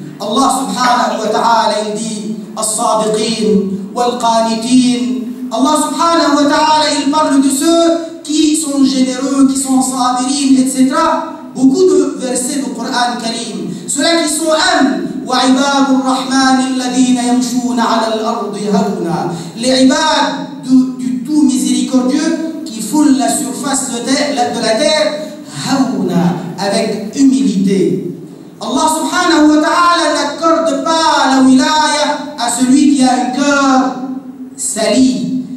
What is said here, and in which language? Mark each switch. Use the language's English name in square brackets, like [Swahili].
[French] Allah subhanahu wa ta'ala il dit as-sadiqin wal-qanitin. Allah subhanahu wa ta'ala il parle de ceux qui sont généreux, qui sont sabirin, etc. Beaucoup de versets du Coran al-Karim. Ceux-là qui sont humbles. [Arabic] وعباد الرحمن الذين يمشون على الأرض هونا. [French] Les عباد du tout miséricordieux qui foulent la surface de la terre هونا, avec humilité. Allah subhanahu wa ta'ala n'accorde pas la wilaya à celui qui a un cœur sali.